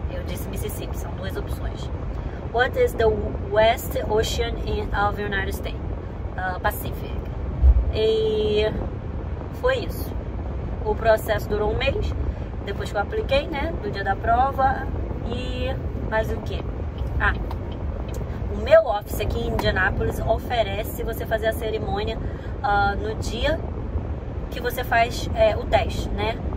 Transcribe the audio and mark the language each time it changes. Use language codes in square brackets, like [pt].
[pt] Eu disse Mississippi, são duas opções. [en] What is the West Ocean of the United States? [pt] Pacific. E foi isso. O processo durou um mês, depois que eu apliquei, né? No dia da prova. E mais o quê? O meu office aqui em Indianápolis oferece você fazer a cerimônia no dia que você faz o teste, né?